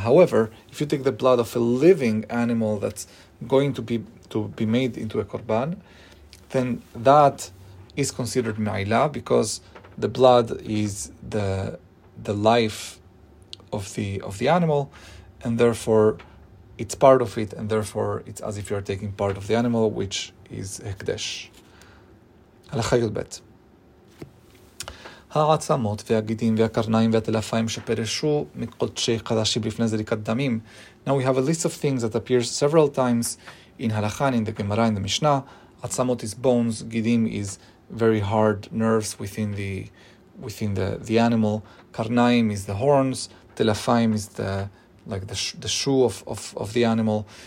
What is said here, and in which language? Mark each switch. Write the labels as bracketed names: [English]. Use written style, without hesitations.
[English] However, if you take the blood of a living animal that's going to be made into a korban, then that is considered me'ilah, because the blood is the life of the animal, and therefore it's part of it, and therefore it's as if you are taking part of the animal, which is hekdesh. [Hebrew] הלכה יולבט. העצמות והגידים והקרניים והטלפיים שפרשו מקודשי קדשים לפני זריקת דמים. [English] Now we have a list of things that appears several times in הלכה, in the Gemara, in the Mishnah. עצמות is bones, גידים is very hard nerves within the animal. קרניים is the horns, טלפיים is the like the shoe of the animal.